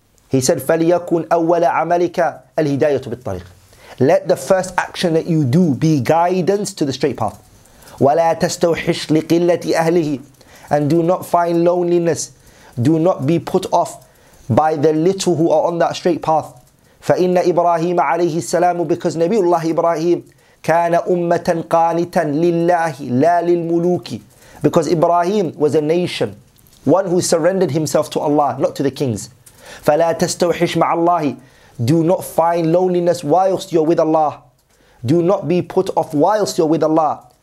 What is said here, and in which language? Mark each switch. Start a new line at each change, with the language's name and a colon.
English: He said,
Arabic: فليكن أول عملك الهداية بالطريق.
English: Let the first action that you do be guidance to the straight path.
Arabic: ولا تستوحش لقلة أهله.
English: And do not find loneliness. Do not be put off by the little who are on that straight path.
Arabic: فإن إبراهيم عليه السلام, because نبي الله إبراهيم كان أمة قانتا لله لا للملوك.
English: Because Ibrahim was a nation, one who surrendered himself to Allah, not to the kings.
Arabic: فلا تستوحش مع الله.
English: Do not find loneliness whilst you're with Allah. Do not be put off whilst you're with Allah.